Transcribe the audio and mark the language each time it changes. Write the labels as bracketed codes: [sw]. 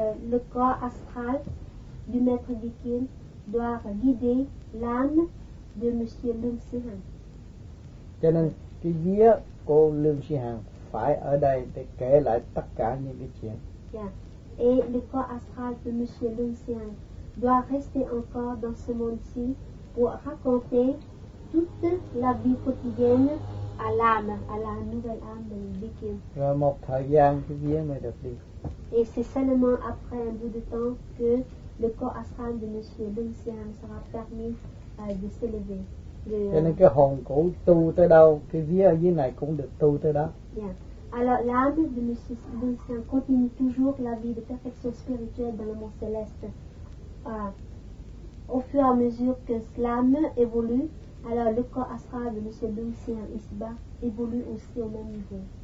[fr] Le corps astral du maître Vĩ Kiên doit guider l'âme de monsieur Lương Sư Hằng. [vi] Cho nên cái vía của Lương Sư Hằng phải ở đây để kể lại tất cả những cái chuyện. Yeah. [fr] Et le corps astral de monsieur Lucien doit rester encore dans ce monde-ci pour raconter toute la vie quotidienne à l'âme, à la nouvelle âme de Lucien. [vi] Rồi một thời gian cái vía mới được đi. [fr] Et c'est seulement après un bout de temps que le corps astral de monsieur Lucien sera permis de s'élever. [vi] Cho nên cái hồn cũ tu tới đâu, cái vía ở dưới này cũng được tu tới đó. Yeah. [fr] Alors l'âme de monsieur Lucien continue toujours la vie de perfection spirituelle dans le monde céleste. Au fur et à mesure que l'âme évolue, alors le corps astral de monsieur Lucien ici-bas évolue aussi au même niveau.